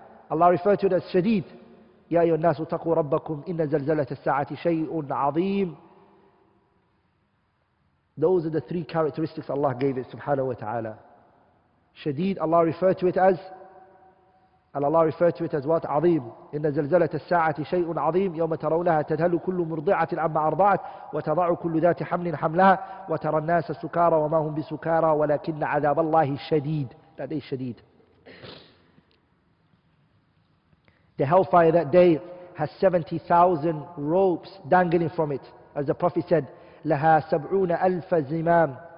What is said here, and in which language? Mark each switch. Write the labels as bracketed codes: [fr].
[ar] Allah referred to it as شديد. يَا أَيُّهَا النَّاسُ اتَّقُوا رَبَّكُمْ إِنَّ زَلْزَلَةَ السَّاعَةِ شَيْءٌ عَظِيمٌ. [en] Those are the three characteristics Allah gave it, subhanahu wa ta'ala. شديد, Allah referred to it as, and Allah referred to it as what? [ar] عظيم. إن زلزلة الساعة شيء عظيم. يوم ترونها تذهل كل مرضعة عما أرضعت وتضع كل ذات حمل حملها وترى الناس سكارى وما هم بسكارى ولكن عذاب الله شديد. [en] That is شديد. The hellfire that day has 70,000 ropes dangling from it. As the Prophet said, لها سبعون ألف زمام.